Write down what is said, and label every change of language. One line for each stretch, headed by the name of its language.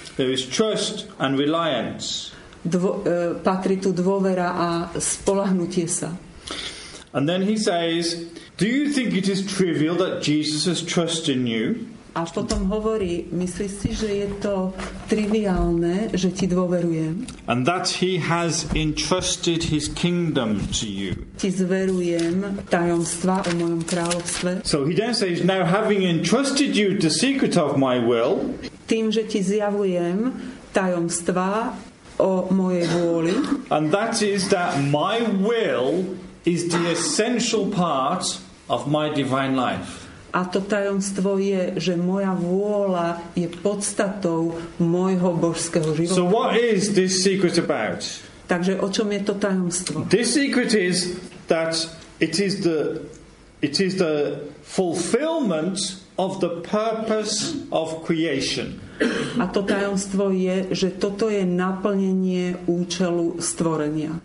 English: There is trust and reliance.
Slovak: Patrí tu dôvera a spoľahnutie sa.
English: And then he says, do you think it is trivial that Jesus has trust in you?
Slovak: A potom hovorí, myslíš si, že je to triviálne, že ti dôverujem?
English: And that he has entrusted his kingdom to you.
Slovak: Ti zverujem tajomstva o mojom kráľovstve.
English: So he then says, now having entrusted you the secret of my will,
Slovak: tým, že ti zjavujem tajomstva o mojej vôli,
English: and that is that my will is the essential part of my divine life.
Slovak: A to tajomstvo je, že moja vôľa je podstatou môjho božského života.
English: So what is this secret about?
Slovak: Takže o čom je to tajomstvo?
English: This secret is that it is the fulfillment of the purpose of creation.
Slovak: A to tajomstvo je, že toto je naplnenie účelu stvorenia.